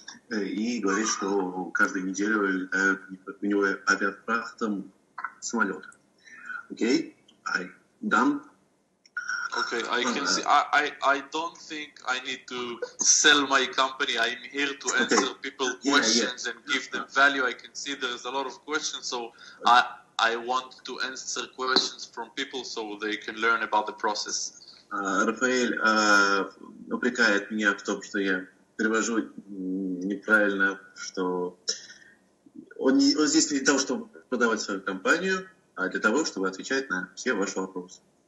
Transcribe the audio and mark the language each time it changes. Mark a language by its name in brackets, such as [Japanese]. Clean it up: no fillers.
[Russian] И говорит, что каждую неделю летают у него авиафрахтом самолет. [English] Окей? Okay? Done? Okay, I can see. I don't think I need to sell my company. I'm here to answer people's questions and give them value. I can see there's a lot of questions, so I want to answer questions from people so they can learn about the process. [Russian] Рафаэль упрекает меня в том, что я перевожу неправильно, что он здесь не для того, чтобы продавать свою компанию, а для того, чтобы отвечать на все ваши вопросы.